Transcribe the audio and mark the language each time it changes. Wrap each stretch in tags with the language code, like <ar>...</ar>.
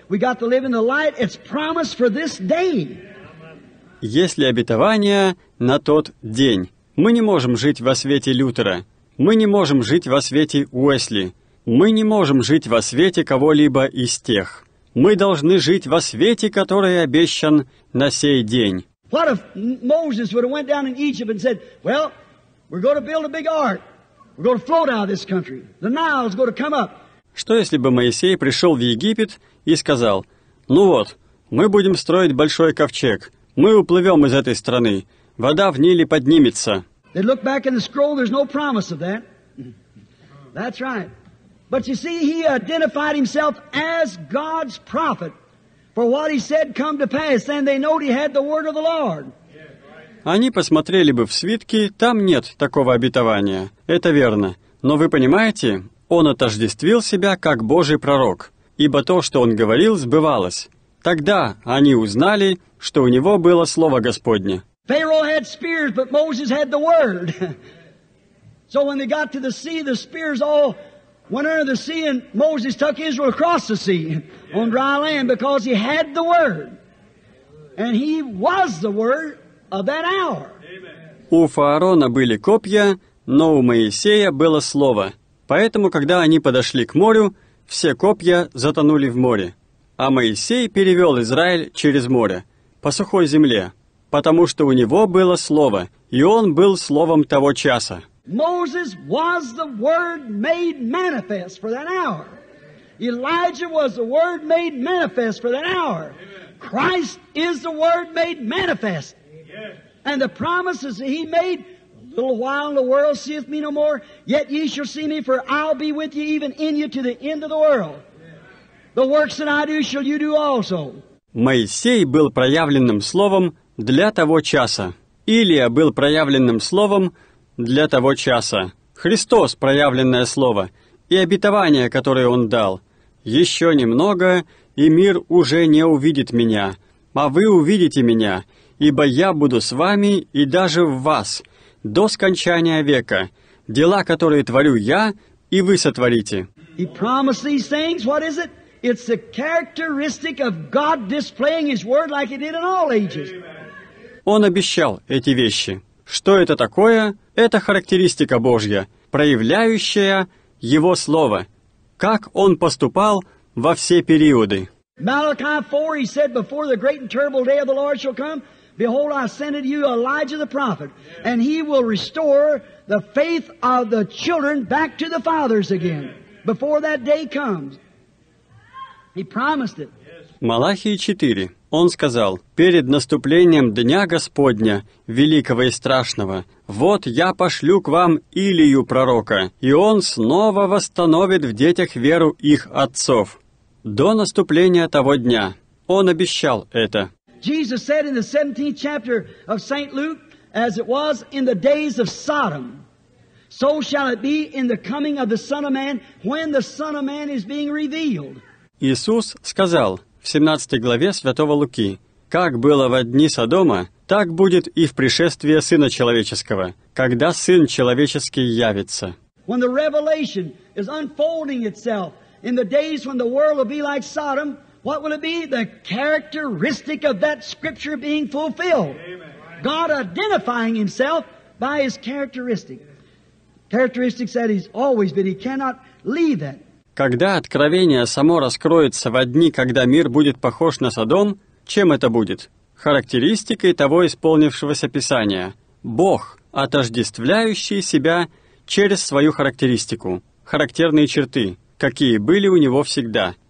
<en>We got to live in the light, it's promised for this day.</en> <ru>Если обетование на тот день. Мы не можем жить во свете Лютера, мы не можем жить во свете Уэсли, мы не можем жить во свете кого-либо из тех. Мы должны жить во свете, который обещан на сей день.</ru> <en>What if Moses would have went down in Egypt and said, well, we're going to build a big ark. We're going to float out of this country. The Nile is going to come up.</en> <ru>Что если бы Моисей пришел в Египет и сказал, ну вот, мы будем строить большой ковчег, мы уплывем из этой страны, вода в Ниле поднимется.</ru> <en>They look back in the scroll, there's no promise of that. That's right. But you see, he identified himself as God's prophet, for what he said come to pass, and they knowed he had the word of the Lord.</en> <ru>Они посмотрели бы в свитки, там нет такого обетования. Это верно. Но вы понимаете, он отождествил себя как Божий пророк, ибо то, что он говорил, сбывалось. Тогда они узнали, что у него было слово Господне.</ru> <en>Pharaoh had spears, but Moses had the word. So when they got to the sea, the spears all went under the sea, and Moses took Israel across the sea on dry land because he had the word. And he was the word of that hour.</en> <ru>У Фараона были копья, но у Моисея было слово. Поэтому, когда они подошли к морю, все копья затонули в море. А Моисей перевел Израиль через море, по сухой земле, потому что у него было слово, и он был словом того часа.</ru> <en>Moses was the word made manifest for that hour. Elijah was the word made manifest for that hour. Christ is the word made manifest. And the promises that he made, a little while the world seeth me no more, yet ye shall see me, for I'll be with you even in you to the end of the world. The works that I do shall you do also.</en> <ru>Моисей был проявленным словом для того часа. Илия был проявленным словом для того часа. Христос — проявленное слово и обетование, которое он дал. Еще немного, и мир уже не увидит меня, а вы увидите меня, ибо я буду с вами и даже в вас до скончания века. Дела, которые творю я, и вы сотворите.</ru> <en>He promised these things. What is it? It's the characteristic of God displaying His word like He did in all ages.</en> <ru>Он обещал эти вещи. Что это такое? Это характеристика Божья, проявляющая Его Слово, как Он поступал во все периоды.</ru> <en>Malachi 4, He said, before the great and terrible day of the Lord shall come, behold, I send unto you Elijah the prophet, and he will restore the faith of the children back to the fathers again, before that day comes. He promised it.</en> <ru>Малахии 4. Он сказал, «Перед наступлением Дня Господня, великого и страшного, вот я пошлю к вам Илию пророка, и он снова восстановит в детях веру их отцов». До наступления того дня. Он обещал это.</ru> <en>Jesus said in the 17th chapter of St. Luke, as it was in the days of Sodom, so shall it be in the coming of the Son of Man, when the Son of Man is being revealed.</en> <ru>Иисус сказал в 17 главе Святого Луки, «Как было во дни Содома, так будет и в пришествии Сына Человеческого, когда Сын Человеческий явится».</ru> <en>When the revelation is unfolding itself, in the days when the world will be like Sodom, what will it be? The characteristic of that scripture being fulfilled. God identifying Himself by His characteristic. Characteristics that He's always been. He cannot leave that.</en> <ru>Когда откровение само раскроется во дни, когда мир будет похож на Содом, чем это будет? Характеристикой того исполнившегося Писания. Бог, отождествляющий себя через свою характеристику, характерные черты, какие были у него всегда.</ru>